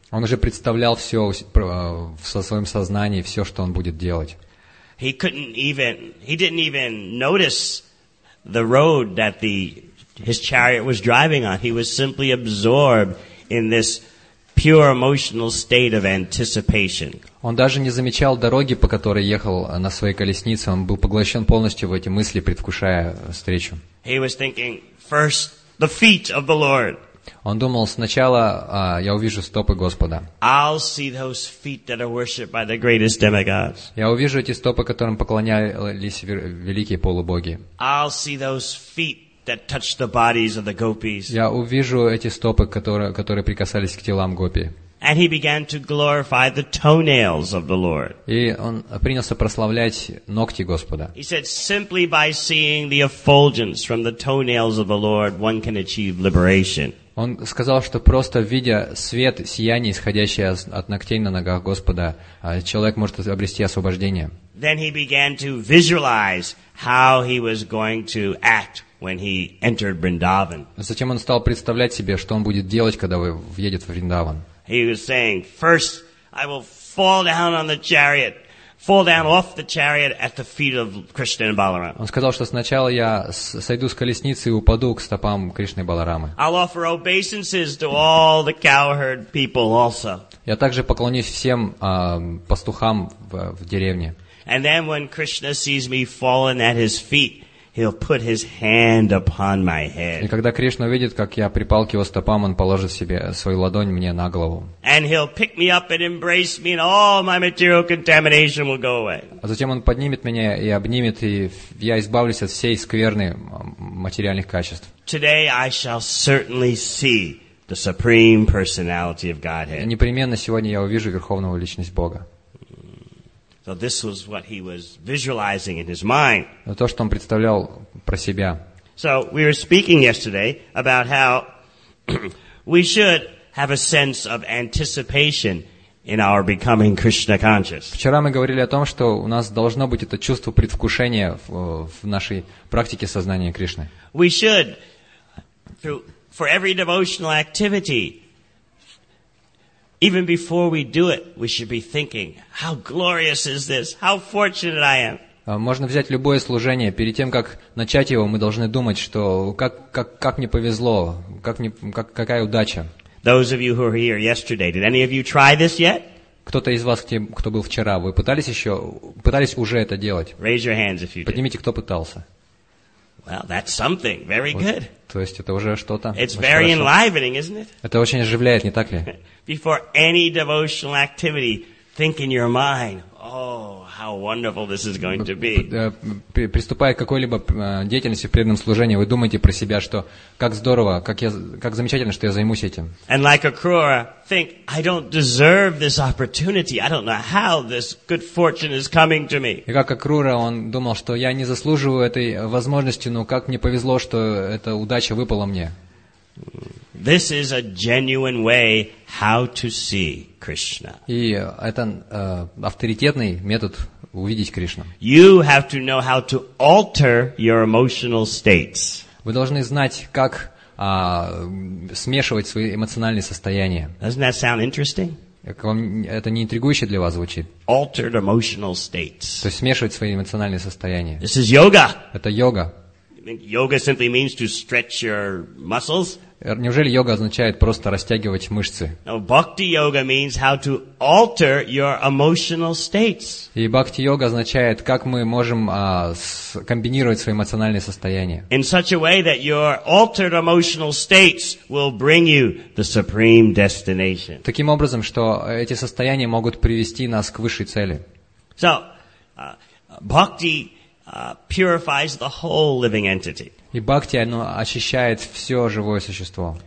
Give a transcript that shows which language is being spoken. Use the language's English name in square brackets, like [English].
[Russian] Он уже представлял все в своем сознании, все, что он будет делать. [English] He couldn't even, he didn't even notice the road that his chariot was driving on. He was simply absorbed in this pure emotional state of anticipation. [Russian] Он даже не замечал дороги, по которой ехал на своей колеснице. Он был поглощен полностью в эти мысли, предвкушая встречу. [English] He was thinking first the feet of the Lord. [Russian] Он думал, сначала я увижу стопы Господа. [English] I'll see those feet that are worshipped by the greatest demigods. [Russian] Я увижу эти стопы, которым поклонялись великие полубоги. [English] I'll see those feet that touch the bodies of the gopis. [Russian] Я увижу эти стопы, которые прикасались к телам гопи. [English] And he began to glorify the toenails of the Lord. [Russian] И он принялся прославлять ногти Господа. [English] He said, simply by seeing the effulgence from the toenails of the Lord, one can achieve liberation. [Russian] Он сказал, что просто видя свет, сияние, исходящее от ногтей на ногах Господа, человек может обрести освобождение. [English] Then he began to visualize how he was going to act when he entered Vrindavan. [Russian] Затем он стал представлять себе, что он будет делать, когда въедет в Вриндаван. [English] He was saying, first I will fall down on the chariot, fall down off the chariot at the feet of Krishna and Balarama. [Russian] Он сказал, что сначала я сойду с колесницы и упаду к стопам Кришны и Баларамы. [English] I'll offer obeisances to all the cowherd people also. [Russian] Я также поклонюсь всем пастухам в деревне. [English] And then when Krishna sees me fallen at his feet, He'll put his hand upon my head. [Russian] И когда Кришна увидит, как я припал к его стопам, он положит себе свою ладонь мне на голову. [English] And he'll pick me up and embrace me, and all my material contamination will go away. [Russian] А затем он поднимет меня и обнимет, и я избавлюсь от всей скверны материальных качеств. [English] Today I shall certainly see the supreme personality of Godhead. [Russian] Непременно сегодня я увижу верховную личность Бога. [English] So this was what he was visualizing in his mind. [Russian] То, что он представлял про себя. [English] So we were speaking yesterday about how we should have a sense of anticipation in our becoming Krishna conscious. [Russian] Вчера мы говорили о том, что у нас должно быть это чувство предвкушения в нашей практике сознания Кришны. [English] We should, for every devotional activity, even before we do it, we should be thinking, how glorious is this? How fortunate I am. [Russian] Можно взять любое служение. Перед тем, как начать его, мы должны думать, что как мне повезло, какая удача. [English] Those of you who were here yesterday, did any of you try this yet? [Russian] Кто-то из вас, кто был вчера, вы пытались уже это делать? [English] Raise your hands if you did. [Russian] Поднимите, кто пытался. [English] Well, that's something. Very good. [Russian] То есть это уже что-то. [English] It's very enlivening, isn't it? [Russian] Это очень оживляет, не так ли? [English] Before any devotional activity, think in your mind, oh, how wonderful this is going to be. [Russian] Приступая к какой-либо деятельности в преданном служении, вы думаете про себя, что как здорово, как замечательно, что я займусь этим. [English] And like a Krura, think, I don't deserve this opportunity. I don't know how this good fortune is coming to me. [Russian] И как Акрура, он думал, что я не заслуживаю этой возможности, но как мне повезло, что эта удача выпала мне. [English] This is a genuine way how to see Krishna. [Russian] И это авторитетный метод увидеть Кришну. [English] You have to know how to alter your emotional states. [Russian] Вы должны знать, как смешивать свои эмоциональные состояния. [English] Doesn't that sound interesting? [Russian] Это не интригующе для вас звучит? [English] Altered emotional states. [Russian] То есть смешивать свои эмоциональные состояния. [English] This is yoga. [Russian] Это йога. [English] Yoga simply means to stretch your muscles. [Russian] Неужели йога означает просто растягивать мышцы? [English] No, bhakti yoga means how to alter your emotional states. [Russian] И бхакти йога означает, как мы можем комбинировать свои эмоциональные состояния. [English] In such a way that your altered emotional states will bring you the supreme destination. [Russian] Таким образом, что эти состояния могут привести нас к высшей цели. [English] So, bhakti purifies the whole living entity. [Russian] И бхакти, оно очищает все живое существо.